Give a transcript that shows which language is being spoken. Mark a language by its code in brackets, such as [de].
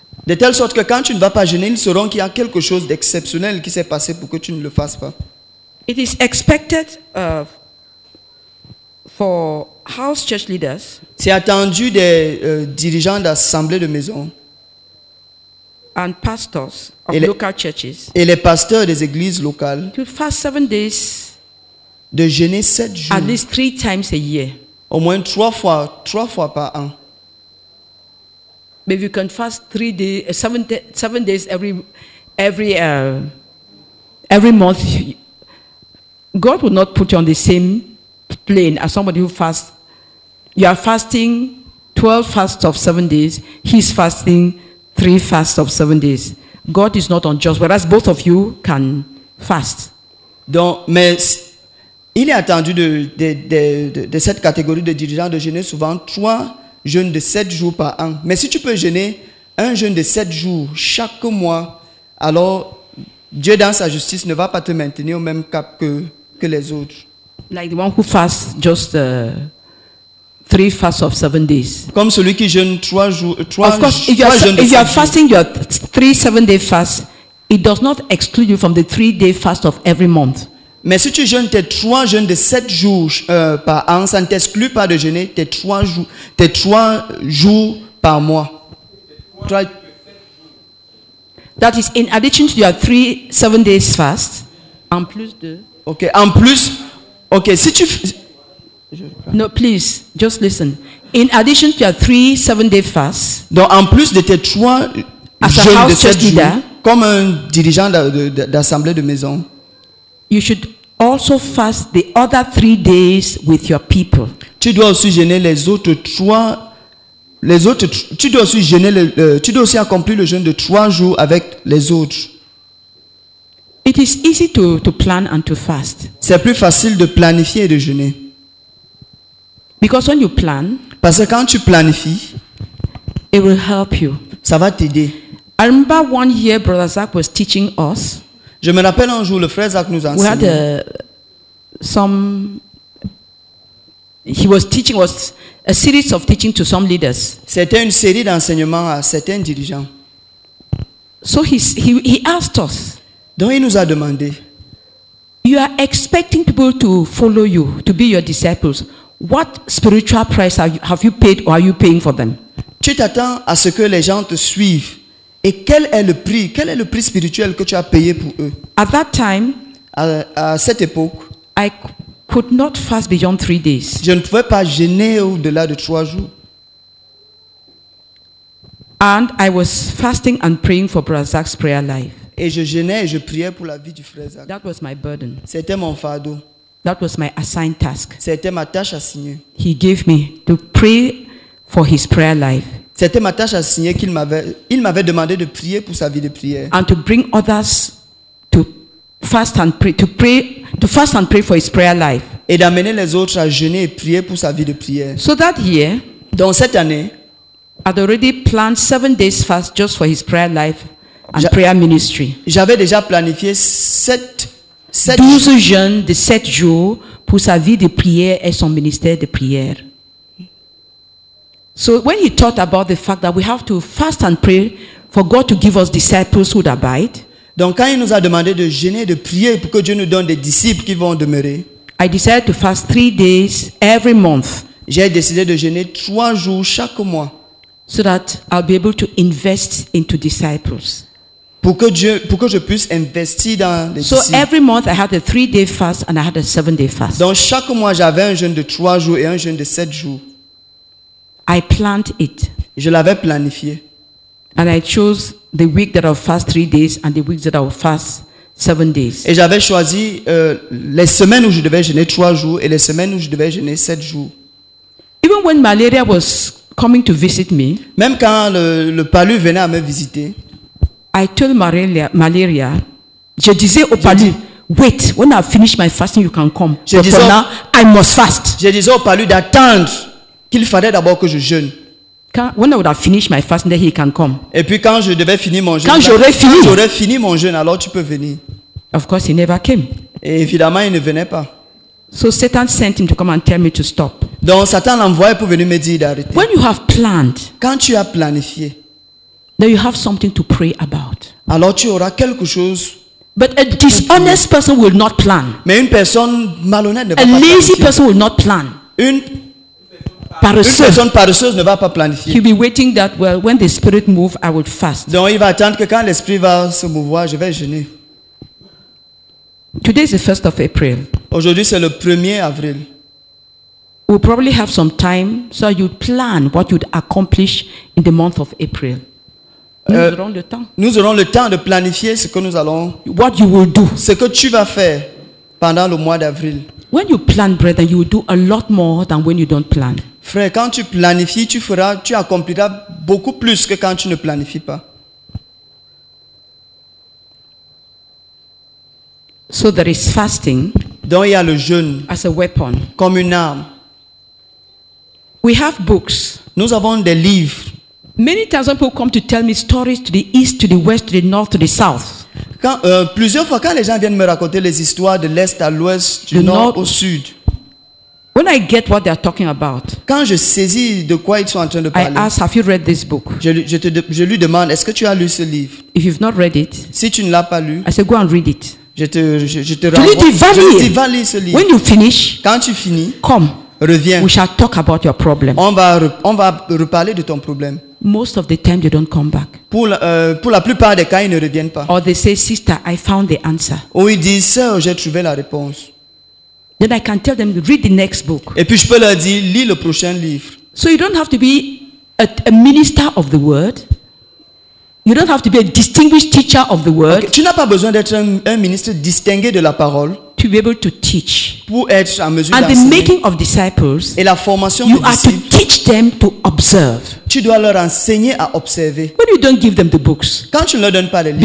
[fr] De telle sorte que quand tu ne vas pas jeûner, ils sauront qu'il y a quelque chose d'exceptionnel qui s'est passé pour que tu ne le fasses pas. [en] It is expected for house church leaders. [fr] C'est attendu des dirigeants d'assemblée de maison. [en] and pastors of les, local churches [fr] et les pasteurs des églises locales [en] to fast 7 days, [fr] de jeûner 7 jours, [en] at least 3 times a year, [fr] au moins 3 fois par an. [en] Maybe you can fast 7 days every month. God will not put you on the same plane as somebody who fasts. You are fasting 12 fasts of 7 days. He's fasting 3 fasts of 7 days. God is not unjust, whereas both of you can fast. [fr] Donc, mais il est attendu de cette catégorie de dirigeants de jeûner souvent 3 jeûnes de 7 jours par an. Mais si tu peux jeûner 1 jeûne de 7 jours chaque mois, alors Dieu dans sa justice ne va pas te maintenir au même cap que les autres. [en] Like the one who fasts just 3 fasts of 7 days. [fr] Comme celui qui jeûne 3 jours. [en] Of course, if you are fasting your 3 7-day fast, it does not exclude you from the 3-day fast of every month. [fr] Mais si tu jeûnes tes 3 jeûnes de 7 jours par an, ça ne t'exclut pas de jeûner tes trois jours par mois. [en] That is in addition to your 3 7-day fast. [fr] En plus de. Ok, en plus. Ok, si tu. [en] No, please, just listen. In addition to your 3 7-day fast. [fr] Donc en plus de tes 3 jeûnes de 7 jours, comme un dirigeant d'assemblée de maison. [en] You should also fast the other 3 days with your people. [fr] Tu dois aussi jeûner les autres. Tu dois aussi accomplir le jeûne de 3 jours avec les autres. [en] It is easy to plan and to fast. [fr] C'est plus facile de planifier et de jeûner. [en] Because when you plan, [fr] parce que quand tu planifies, [en] it will help you. [fr] Ça va t'aider. [en] I remember one year Brother Zach was teaching us. [fr] Je me rappelle un jour, le frère Zach nous enseignait. [en] We had he was teaching was a series of teaching to some leaders. [fr] C'était une série d'enseignements à certains dirigeants. [en] So he asked us. [fr] Donc il nous a demandé. [en] You are expecting people to follow you, to be your disciples. What spiritual price have you paid or are you paying for them? [fr] Tu t'attends à ce que les gens te suivent. Et quel est le prix? Quel est le prix spirituel que tu as payé pour eux? [en] At that time, [fr] à cette époque, [en] I could not fast beyond 3 days. [fr] Je ne pouvais pas jeûner au-delà de 3 jours. [en] And I was fasting and praying for Brother Zach's prayer life. [fr] Et je jeûnais et je priais pour la vie du frère Zach. [en] That was my burden. [fr] C'était mon fardeau. [en] That was my assigned task. [fr] C'était ma tâche assignée. [en] He gave me to pray for his prayer life. [fr] C'était ma tâche à signer qu'il m'avait. Il m'avait demandé de prier pour sa vie de prière. [en] And to bring others to fast and pray, to fast and pray for his prayer life. [fr] Et d'amener les autres à jeûner et prier pour sa vie de prière. [en] So that year, [fr] dans cette année, [en] I'd already planned 7 days fast just for his prayer life and prayer ministry. [fr] J'avais déjà planifié 12 jeûnes de 7 jours pour sa vie de prière et son ministère de prière. [en] So when he taught about the fact that we have to fast and pray for God to give us disciples who abide. [fr] Donc quand il nous a demandé de jeûner de prier pour que Dieu nous donne des disciples qui vont demeurer. [en] I decided to fast 3 days every month. [fr] J'ai décidé de jeûner 3 jours chaque mois. [en] So that I'll be able to invest into disciples. [fr] Pour que je puisse investir dans les disciples. [en] So every month I had a 3-day fast and I had a 7-day fast. [fr] Donc chaque mois j'avais un jeûne de 3 jours et un jeûne de 7 jours. [en] I planned it. [fr] Je l'avais planifié. [en] And I chose the week that I'll fast 3 days and the week that I'll fast 7 days. [fr] Et j'avais choisi les semaines où je devais jeûner 3 jours et les semaines où je devais jeûner 7 jours. [en] Even when malaria was coming to visit me, [fr] même quand le palu venait à me visiter, [en] I told malaria, [fr] je disais au palu, [en] wait, when I finish my fasting, you can come. [fr] Je [en] but for now, I must fast. [fr] Je disais au palu d'attendre. Qu'il fallait d'abord que je jeûne. [en] When I would have finished my fast, then he can come. [fr] Et puis quand je devais finir mon jeûne. Quand j'aurais fini mon jeûne, alors tu peux venir. [en] Of course, he never came. [fr] Et évidemment, il ne venait pas. [en] So Satan sent him to come and tell me to stop. [fr] Donc Satan l'envoyait pour venir me dire d'arrêter. [en] When you have planned. [fr] Quand tu as planifié. [en] Then you have something to pray about. [fr] Alors tu auras quelque chose. [en] But a dishonest person will not plan. [fr] Mais une personne malhonnête ne va pas planifier. [en] A lazy person will not plan. [fr] Une paresseux. Une personne paresseuse ne va pas planifier. [en] He'll be waiting that well when the spirit moves, I will fast. [fr] Donc il va attendre que quand l'esprit va se mouvoir, je vais jeûner. [en] Today is the 1st of April. [fr] Aujourd'hui c'est le 1er avril. [en] We probably have some time, so you plan what you'd accomplish in the month of April. [fr] Nous aurons le temps. Nous aurons le temps de planifier ce que nous allons. [en] What you will do. [fr] Ce que tu vas faire pendant le mois d'avril. [en] When you plan, brother, you will do a lot more than when you don't plan. [fr] Frère, quand tu planifies, tu accompliras beaucoup plus que quand tu ne planifies pas. [en] So there is fasting. [fr] Donc il y a le jeûne. [en] As a weapon. [fr] Comme une arme. [en] We have books. [fr] Nous avons des livres. [en] Many thousand people come to tell me stories to the east, to the west, to the north, to the south. [fr] Quand, plusieurs fois, quand les gens viennent me raconter les histoires de l'est à l'ouest, du nord au sud. [en] When I get what they are talking about. [fr] Quand je saisis de quoi ils sont en train de parler. [en] I ask, have you read this book? [fr] Je lui demande, est-ce que tu as lu ce livre? [en] If you've not read it. [fr] Si tu ne l'as pas lu. [en] I say, go and read it. [fr] Je te renvoie. Je lui dis, va lire ce livre. [en] When you finish. [fr] Quand tu finis. [en] Come. [fr] Reviens. [en] We shall talk about your problem. [fr] On va reparler de ton problème. [en] Most of the time they don't come back. [fr] Pour la plupart des cas, ils ne reviennent pas. [en] Or they say, sister, I found the answer. [fr] Ou ils disent, sœur, j'ai trouvé la réponse. [en] Then I can tell them, read the next book. [fr] Et puis je peux leur dire, lis le prochain livre. [en] So you don't have to be a minister of the word. You don't have to be a distinguished teacher of the word. [fr] Okay. Tu n'as pas besoin d'être un ministre distingué de la parole. [en] To be able to teach. [fr] Pour être en mesure [en] and [fr] d'assurer. [en] The making of disciples. [fr] Et la formation [en] you [fr] des disciples. [en] You are to teach them to observe. [fr] Tu dois leur enseigner à observer. [en] When you don't give them the books. [fr] Quand tu ne leur donnes pas les livres.